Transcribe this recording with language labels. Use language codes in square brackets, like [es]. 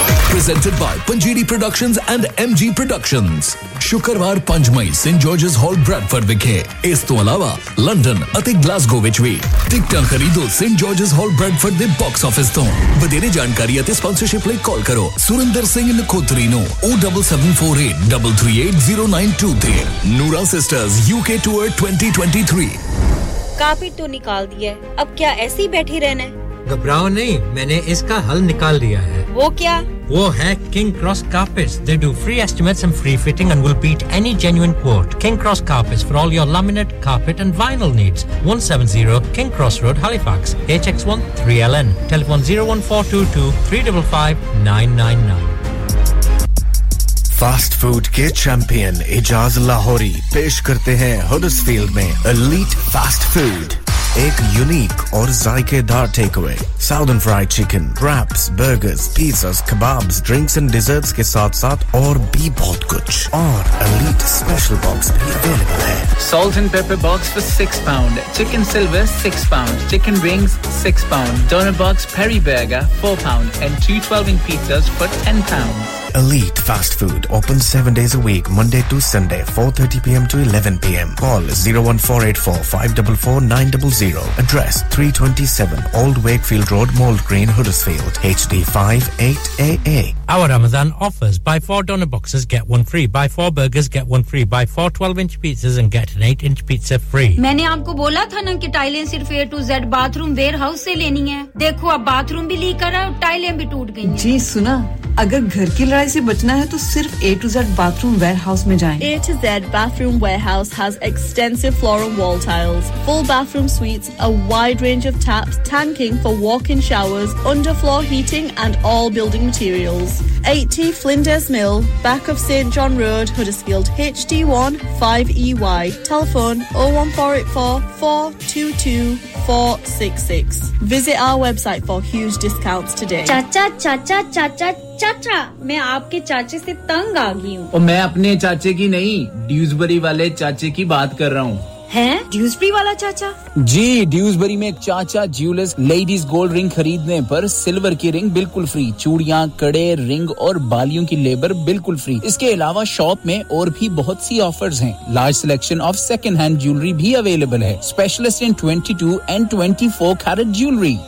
[pa] ਪ੍ਰੈਜੈਂਟਡ by panjiri productions and MG productions ਸ਼ੁੱਕਰਵਾਰ 5 ਮਈ Saint Georges ਹਾਲ Bradford ਵਿਖੇ ਇਸ ਤੋਂ ਇਲਾਵਾ ਲੰਡਨ ਅਤੇ ਗਲਾਸਗੋ ਵਿੱਚ ਵੀ ਟਿਕਟਾਂ ਖਰੀਦੋ ਸੇਂਟ ਜਾਰਜਸ ਹਾਲ ਬ੍ਰੈਡਫੋਰਡ ਦੇ ਬਾਕਸ ਆਫਿਸ ਤੋਂ ਵਧੇਰੇ ਜਾਣਕਾਰੀ ਅਤੇ ਸਪਾਂਸਰਸ਼ਿਪ ਲਈ ਕਾਲ ਕਰੋ ਸੁਰਿੰਦਰ ਸਿੰਘ ਨਖੋਤਰੀ ਨੂੰ 07748338092 ਨੂਰਾ ਸਿਸਟਰਸ ਯੂਕੇ ਟੂਰ 2023 [hi] ਕਾਫੀ ਤੋਂ ਨਿਕਾਲ ਦੀ ਹੈ ਅਬ ਕਿਆ ਐਸੇ ਹੀ ਬੈਠੀ ਰਹਿਣਾ घबराओ नहीं मैंने इसका हल निकाल लिया है वो क्या वो है [en] King Cross Carpets they do free estimates and free fitting and will beat any genuine quote King Cross Carpets for all your laminate carpet and vinyl needs 170 King Cross Road Halifax HX1 3LN telephone 01422 355 999 [hi] fast food के champion Ijaz Lahori पेश करते हैं Huddersfield में elite fast food एक unique और जायकेदार takeaway southern fried chicken raps burgers pizzas kebabs drinks and desserts के साथ साथ और भी बहुत कुछ और एलीट स्पेशल बॉक्स भी अवेलेबल है [en] Salt and pepper box for £6 chicken silver £6 chicken rings £6 doner box peri burger £4 and 2 12 inch pizzas for £10 Elite Fast Food, open 7 days a week, Monday to Sunday, 4:30 p.m. to 11 p.m. Call 01484-544-900. Address 327 Old Wakefield Road, Mould Green, Huddersfield, HD58AA. Our Ramadan offers, buy 4 doner boxes, get 1 free, buy 4 burgers, get 1 free, buy 4 12-inch pizzas and get an 8-inch pizza free. [hi] मैंने आपको बोला था ना कि टाइलें सिर्फ A to Z bathroom warehouse से लेनी है. देखो अब bathroom भी लीक करा और टाइलें भी टूट गई हैं. जी सुना. अगर घर की लड़ाई से बचना है तो सिर्फ A to Z Bathroom Warehouse में जाएं। [en] A to Z Bathroom Warehouse has extensive floor and wall tiles, full bathroom suites, a wide range of taps, tanking for walk-in showers, underfloor heating and all building materials. 80 Flinders Mill, back of St John Road, Huddersfield, HD1 5EY. Telephone 01484 422 466. Visit our website for huge discounts today. [hi] चाचा मैं आपके चाचे से तंग आ गई हूँ और मैं अपने चाचे की नहीं ड्यूसबरी वाले चाचे की बात कर रहा हूँ हैं ड्यूसबरी वाला चाचा जी ड्यूसबरी में एक चाचा ज्यूलर्स लेडीज गोल्ड रिंग खरीदने पर सिल्वर की रिंग बिल्कुल फ्री चूड़ियां कड़े रिंग और बालियों की लेबर बिल्कुल फ्री इसके अलावा शॉप में और भी बहुत सी ऑफर्स हैं [en] large selection of second hand jewellery [hi] भी अवेलेबल है [en] specialist in 22 and 24 carat jewellery